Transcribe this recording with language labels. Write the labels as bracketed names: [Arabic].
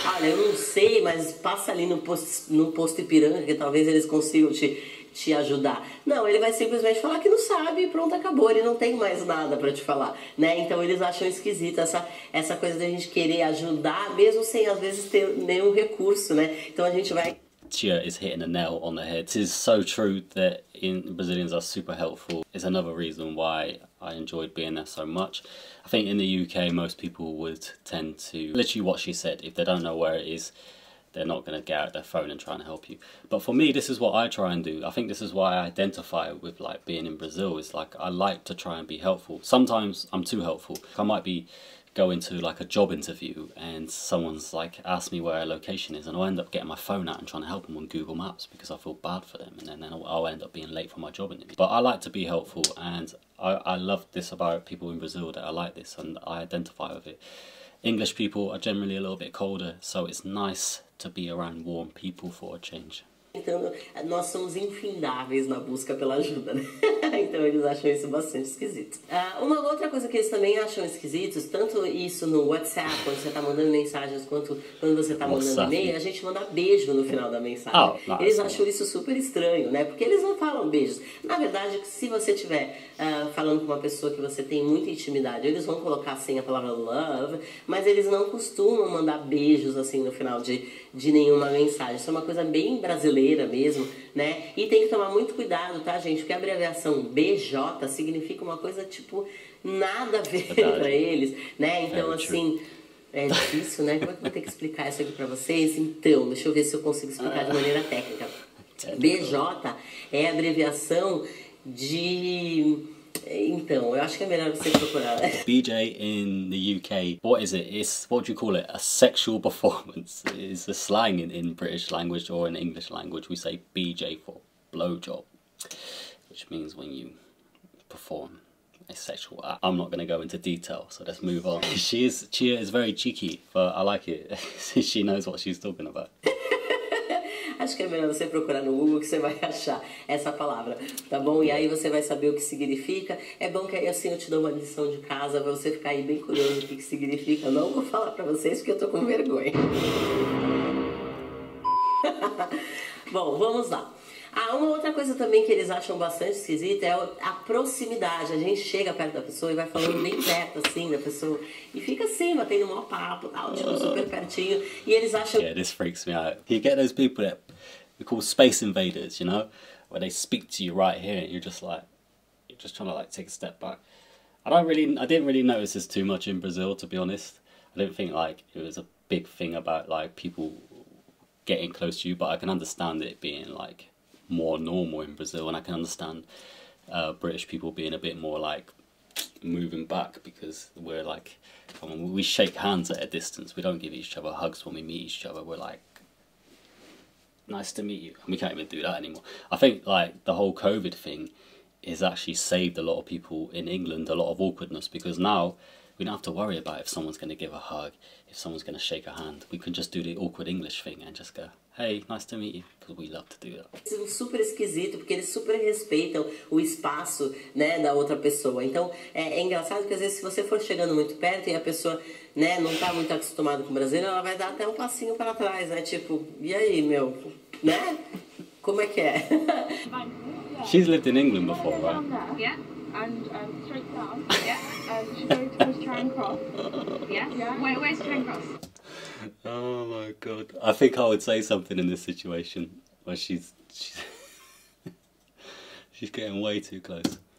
[Portuguese] Olha, eu não sei, mas passa ali no posto Ipiranga, que talvez eles consigam te ajudar. Não, ele vai simplesmente falar que não sabe e pronto, acabou, ele não tem mais nada para te falar, né? Então eles acham esquisito essa coisa da gente querer ajudar, mesmo sem às vezes ter nenhum recurso, né? Então a gente vai. [English] Tia is hitting a nail on the head. It is so true that in Brazilians are super helpful. It's another reason why I enjoyed being there so much. I think in the UK, most people would tend to literally what she said, if they don't know where it is, they're not going to get out their phone and try and help you. But for me, this is what I try and do. I think this is why I identify with like being in Brazil. It's like I like to try and be helpful. Sometimes I'm too helpful. I might be going to like a job interview and someone's like asked me where a location is, and I'll end up getting my phone out and trying to help them on Google Maps because I feel bad for them, and then I'll end up being late for my job interview. But I like to be helpful, and I love this about people in Brazil that are like this, and I identify with it. English people are generally a little bit colder, so it's nice to be around warm people for a change. [Portuguese] Então, nós somos infindáveis na busca pela ajuda, né? Então eles acham isso bastante esquisito. Uma outra coisa que eles também acham esquisitos, tanto isso no WhatsApp, quando você está mandando mensagens, quanto quando você está mandando e-mail, a gente manda beijo no final da mensagem. Oh, Eles acham isso super estranho, né? Porque eles não falam beijos. Na verdade, se você estiver falando com uma pessoa que você tem muita intimidade, eles vão colocar assim a palavra love, mas eles não costumam mandar beijos assim no final de nenhuma mensagem. Isso é uma coisa bem brasileira mesmo, né? E tem que tomar muito cuidado, tá, gente? Porque a abreviação BJ significa uma coisa tipo nada a ver para eles, né? Então, assim, é difícil, né? Como é que eu vou ter que explicar isso aqui para vocês? Então, deixa eu ver se eu consigo explicar de maneira técnica. BJ é a abreviação de. Então, eu acho que é melhor você procurar. [English] BJ in the UK, what is it? It's what do you call it? A sexual performance. It's a slang in British language or in English language. We say BJ for blowjob, which means when you perform a sexual act. I'm not going to go into detail, so let's move on. Chia is very cheeky, but I like it. She knows what she's talking about. [Portuguese] Acho que é melhor você procurar no Google que você vai achar essa palavra, tá bom? E aí você vai saber o que significa. É bom que aí assim eu te dou uma lição de casa pra você ficar aí bem curioso o que que significa. Não vou falar pra vocês porque eu tô com vergonha. Bom, vamos lá. Ah, uma outra coisa também que eles acham bastante esquisita é a proximidade. A gente chega perto da pessoa e vai falando bem perto, assim, da pessoa. E fica assim, batendo o maior papo, tal, tipo, super pertinho. E eles acham. [English] Yeah, this freaks me out. You get those people that we call space invaders, you know? Where they speak to you right here and you're just like, you're just trying to like take a step back. I didn't really notice this too much in Brazil, to be honest. I didn't think like it was a big thing about like people getting close to you, but I can understand it being like more normal in Brazil, and I can understand British people being a bit more like moving back because we're like, I mean, we shake hands at a distance, we don't give each other hugs when we meet each other, we're like, nice to meet you, and we can't even do that anymore. I think like the whole COVID thing has actually saved a lot of people in England a lot of awkwardness, because now we don't have to worry about if someone's going to give a hug, if someone's going to shake a hand, we can just do the awkward English thing and just go, hey, nice to meet you, because we love to do that. [Portuguese] É super esquisito, porque eles super respeitam o espaço, né, da outra pessoa. Então, é engraçado que às vezes se você for chegando muito perto e a pessoa, né, não está muito acostumada com o Brasil, ela vai dar até um passinho para trás, né, tipo, e aí, meu, né, como é que é? [English] She's lived in England before, right? Yeah. And straight down, yeah. And she's going towards Charing Cross. Yeah. Where's Charing Cross? Oh my God! I think I would say something in this situation where she's getting way too close.